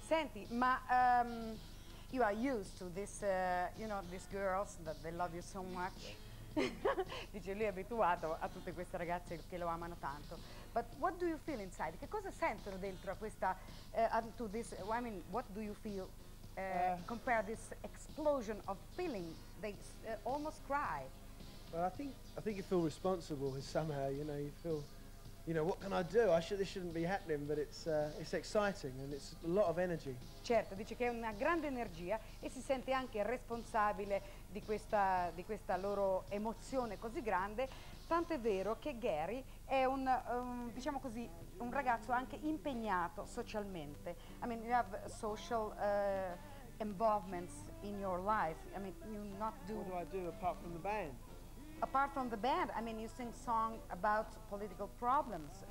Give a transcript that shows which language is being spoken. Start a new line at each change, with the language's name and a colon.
Italian: Senti, ma
English: you are used to this, you know, these girls that they love you so much.
Italian: Dice, lui è abituato a tutte queste ragazze che lo amano tanto.
English: But what do you feel inside?
Italian: Che cosa sentono dentro a questa,
English: to this, I mean, what do you feel? Compare this explosion of feeling, they almost cry. Well, I think you feel responsible somehow, you know, you feel, you know, what can I do? This shouldn't be happening, but it's exciting and it's a lot of energy.
Italian: Certo, dice che è una grande energia e si sente anche responsabile di questa loro emozione così grande, tant'è vero che Gary è un, diciamo così, un ragazzo anche impegnato socialmente.
English: I mean, you have social involvements in your life. I mean, you not do... What do I do apart from the band? Apart from the band, I mean, you sing song about political problems.